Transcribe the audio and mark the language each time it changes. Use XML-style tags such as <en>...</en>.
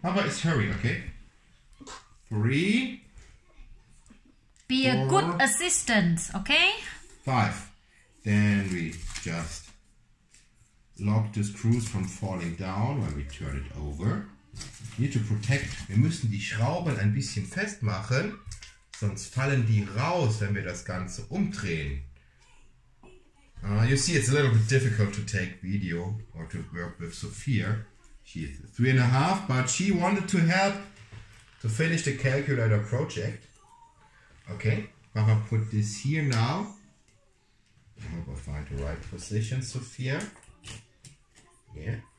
<en>Papa is hurry, okay? Three. Be four, a good assistant, okay? Five. Then we just lock the screws from falling down when we turn it over. We need to protect.</en> <de>Wir müssen die Schrauben ein bisschen festmachen, sonst fallen die raus, wenn wir das Ganze umdrehen.</de> <en>You see, it's a little bit difficult to take video or to work with Sophia. She's 3.5, but she wanted to help to finish the calculator project. Okay, Papa put this here now. I hope I find the right position, Sophia. Yeah.</en>